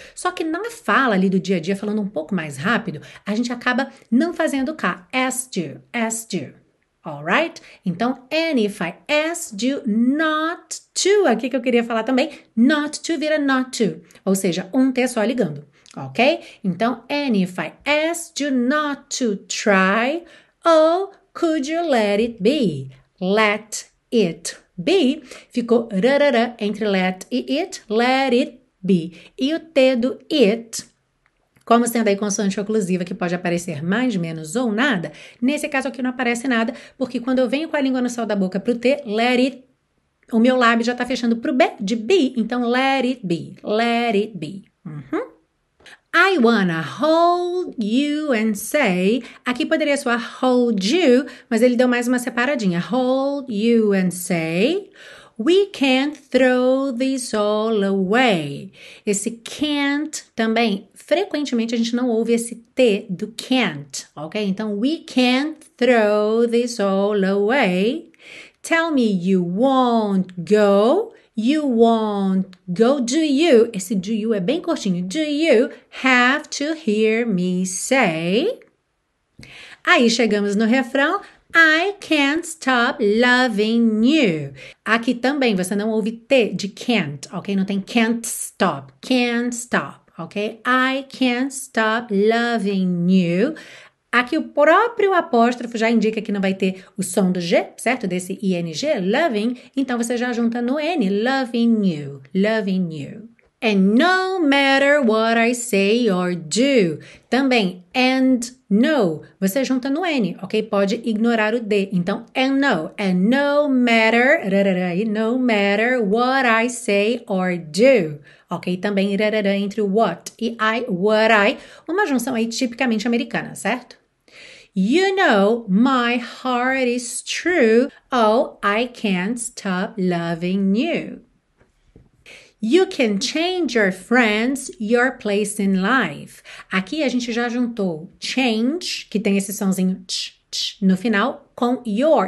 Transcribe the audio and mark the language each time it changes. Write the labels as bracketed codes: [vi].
[pt] Só que na fala ali do dia a dia, falando um pouco mais rápido, a gente acaba não fazendo K. [en] Asked you. Alright? [pt] Então, [en] and if I asked you not to, [pt] aqui que eu queria falar também, [en] not to [pt] vira [en] not to. [pt] Ou seja, um T só ligando. Ok? Então, [en] and if I asked you not to try, oh, could you let it be? Let it be. [pt] B ficou rarara entre [en] let e it, let it be. [pt] E o T do it, como sendo aí consoante oclusiva que pode aparecer mais, menos ou nada, nesse caso aqui não aparece nada, porque quando eu venho com a língua no céu da boca pro T, [en] let it, [pt] o meu lábio já tá fechando pro B de be, então [en] let it be, let it be. Uhum. I wanna hold you and say, [pt] aqui poderia soar [en] hold you, [pt] mas ele deu mais uma separadinha, [en] hold you and say, we can't throw this all away. [pt] Esse can't também, frequentemente a gente não ouve esse T do can't, ok? Então, [en] we can't throw this all away. Tell me you won't go. You won't go, do you? [pt] Esse do you é bem curtinho. [en] Do you have to hear me say? [pt] Aí chegamos no refrão. [en] I can't stop loving you. [pt] Aqui também você não ouve T de can't, ok? Não tem [en] can't stop. Can't stop, ok? I can't stop loving you. [pt] Aqui o próprio apóstrofo já indica que não vai ter o som do G, certo? Desse ING, loving. Então, você já junta no N, [en] loving you, loving you. And no matter what I say or do. [pt] Também, [en] and no, [pt] você junta no N, ok? Pode ignorar o D. Então, [en] and no matter, rarara, no matter what I say or do. [pt] Ok, também rarara, entre what e I, [en] what I. [pt] Uma junção aí tipicamente americana, certo? [en] You know, my heart is true. Oh, I can't stop loving you. You can change your friends, your place in life. [pt] Aqui a gente já juntou change, que tem esse sonzinho tch, tch, no final, com your.